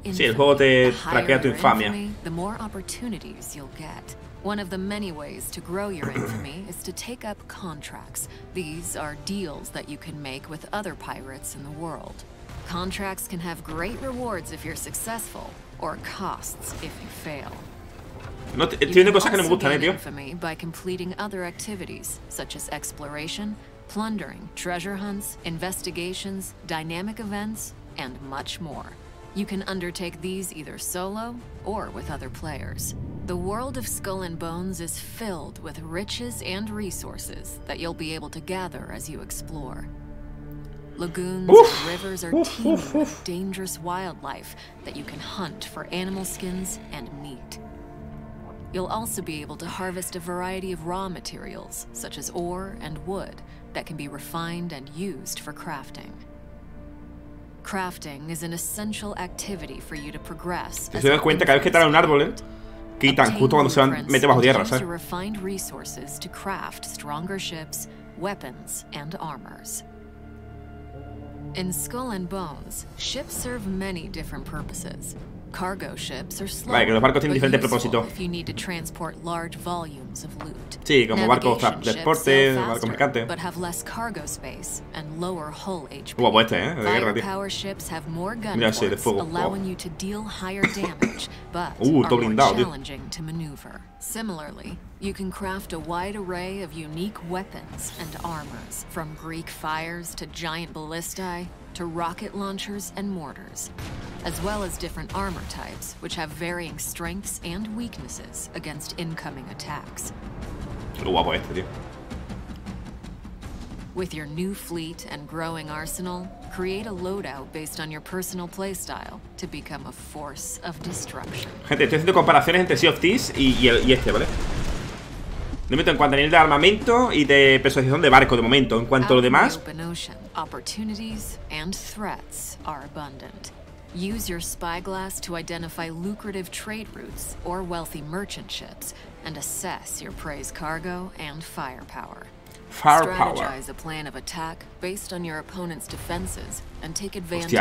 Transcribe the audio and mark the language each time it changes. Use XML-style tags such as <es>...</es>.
<es>infamy. Sí, el juego te traquea tu infamia.</es> <en>The more opportunities you'll get. One of the many ways to grow your infamy is to take up contracts. These are deals that you can make with other pirates in the world. Contracts can have great rewards if you're successful, or costs if you fail.</en> <es>No, tiene cosas que no me gustan, tío.</es> <en>Infamy by completing other activities, such as exploration, plundering, treasure hunts, investigations, dynamic events, and much more. You can undertake these either solo or with other players. The world of Skull and Bones is filled with riches and resources that you'll be able to gather as you explore. Lagoons, rivers are teeming with dangerous wildlife that you can hunt for animal skins and meat. You'll also be able to harvest a variety of raw materials, such as ore and wood, that can be refined and used for crafting. Crafting is an essential activity for you to progress.</en> <es>¿Te das cuenta cada vez que tala un árbol, eh? Quitan justo cuando se van mete bajo tierra, ¿sabes?</es> <en>Refined resources to craft stronger ships, weapons, and armors. In Skull and Bones, ships serve many different purposes. Cargo ships are slow.</en> <es>Vale, que los barcos tienen diferentes propósitos.</es> <en>If you need to transport large volumes of loot.</en> <es>Sí, como barcos de transporte, barcos mercantes.</es> <en>But have less cargo space and lower hull HP.</en> <es>Guapo este, ¿eh? De guerra, tío.</es> <en>Power ships have more gun ports,</en> <es>sí, de fuego.</es> <en>Allowing you to deal higher damage, but</en> <es>todo blindado,</es> <en>are challenging to maneuver. Similarly, you can craft a wide array of unique weapons and armors, from Greek fires to giant ballistae, to rocket launchers and mortars, as well as different armor types, which have varying strengths and weaknesses against incoming attacks. With your new fleet and growing arsenal, create a loadout based on your personal playstyle to become a force of destruction.</en> <es>Gente, estoy haciendo comparaciones entre Sea of Thieves y este, ¿vale? Me meto en cuanto a nivel de armamento y de personalización de barco de momento. En cuanto a lo demás,</es> <en>opportunities and threats are abundant. Use your spyglass to identify lucrative trade routes or wealthy merchant ships and assess your prey's cargo and firepower. Firepower. Strategize a plan of attack based on your opponent's defenses and take advantage.</en>